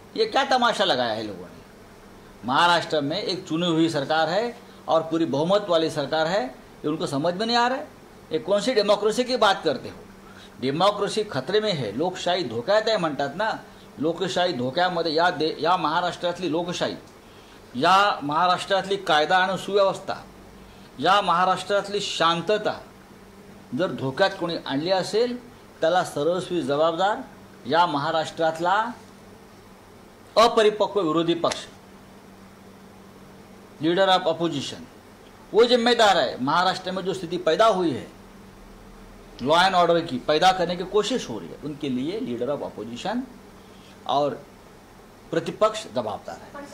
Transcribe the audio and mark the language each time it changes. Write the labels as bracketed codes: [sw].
[hi] ये क्या तमाशा लगाया है लोगों ने। महाराष्ट्र में एक चुनी हुई सरकार है और पूरी बहुमत वाली सरकार है, ये उनको समझ में नहीं आ रहा है। ये कौन सी डेमोक्रेसी की बात करते हो? डेमोक्रेसी खतरे में है, लोकशाही धोक्यात है, [mr] म्हणतात ना लोकशाही धोक्यामध्ये। या महाराष्ट्रातली लोकशाही, या महाराष्ट्रातली कायदा आणि सुव्यवस्था, या महाराष्ट्रातली शांतता जर धोक्यात कोणी आणली असेल, त्याला सर्वस्वी जबाबदार या महाराष्ट्रातला अपरिपक्व विरोधी पक्ष, लीडर ऑफ अपोजिशन, [hi] वो जिम्मेदार है। महाराष्ट्र में जो स्थिति पैदा हुई है लॉ एंड ऑर्डर की, पैदा करने की कोशिश हो रही है, उनके लिए लीडर ऑफ अपोजिशन और प्रतिपक्ष जबाबदार है।